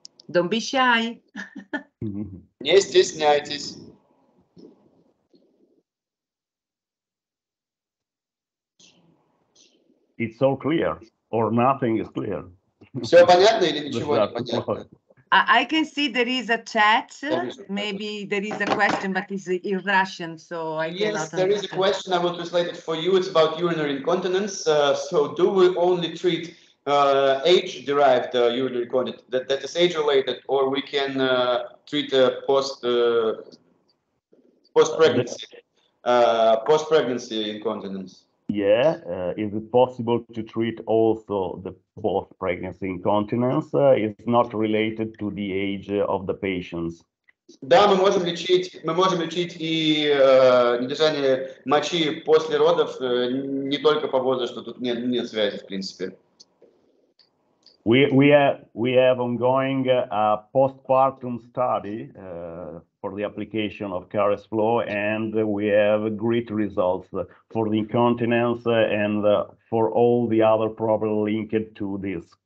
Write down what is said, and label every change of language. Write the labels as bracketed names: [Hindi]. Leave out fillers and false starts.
[English] Don't be shy. [Russian] Не стесняйтесь. [English] It's all clear, or nothing is clear. [Russian] Все понятно или ничего не понятно? [English] I can see there is a chat. Maybe there is a question, but it's in Russian, so I yes, cannot. Yes, there is a question. I will translate it for you. It's about urinary incontinence. So, do we only treat age-derived urinary incontinence that is age-related, or we can treat post-pregnancy incontinence? Yeah, is it possible to treat also the post-pregnancy incontinence? It's not related to the age of the patients. [Russian] Да, мы можем лечить и недержание мочи после родов не только по возрасту. Тут нет связи в принципе. [English] We have ongoing a postpartum study for the application of Caris Flow, and we have great results for the incontinence and for all the other problems linked to this.